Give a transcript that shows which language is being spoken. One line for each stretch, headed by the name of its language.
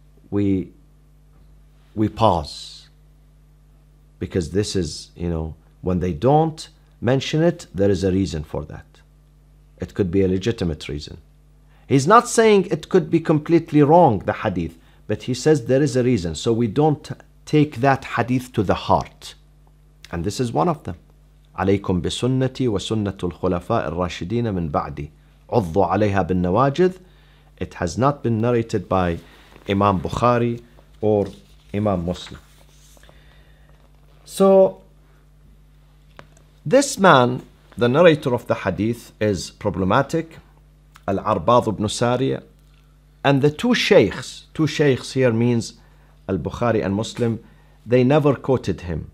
English: we pause. Because this is, you know, when they don't mention it, there is a reason for that. It could be a legitimate reason. He's not saying it could be completely wrong, the hadith, but he says there is a reason. So we don't take that hadith to the heart. And this is one of them.
Arabic: عليكم بسنتي وسنة الخلفاء الراشدين من بعدي عضوا عليها بالنواجد.
English: It has not been narrated by Imam Bukhari or Imam Muslim. So this man, the narrator of the hadith, is problematic. Al-Arbad ibn Sariya. And the two sheikhs here means Al-Bukhari and Muslim, they never quoted him.